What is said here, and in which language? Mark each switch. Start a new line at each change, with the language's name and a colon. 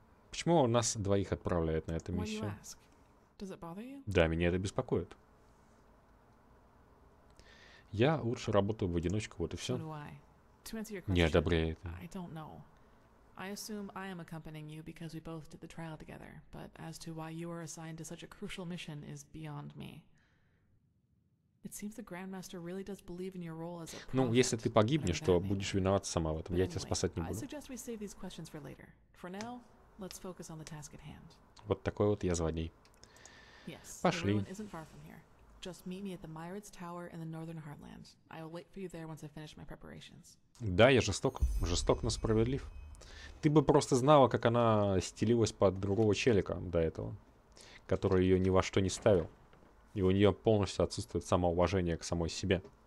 Russian: Почему он нас двоих отправляет на эту миссию?
English: Why do you ask? Does it bother you?
Russian: Да, меня это беспокоит. Я лучше работаю в одиночку, вот и все.
English: So do I. To answer your question,
Russian: не одобряет.
English: I don't know. I assume I am accompanying you because we both did the trial together, but as to why you are assigned to such a crucial mission is beyond me. It seems the Grandmaster really does believe in your role as a prophet.
Russian: Ну, если ты погибнешь, то будешь виноват сама в этом. Я тебя спасать не буду.
English: I suggest we save these questions for later. For now, let's focus on the task at hand.
Russian: Вот такой вот я звоней.
English: Yes.
Russian: Пошли.
English: The ruin isn't far from here. Just meet me at the Myrid's Tower in the Northern Heartland. I will wait for you there once I finish my preparations.
Russian: Да, я жесток, жесток, но справедлив. Ты бы просто знала, как она стелилась под другого челика до этого, который ее ни во что не ставил. И у нее полностью отсутствует самоуважение к самой себе.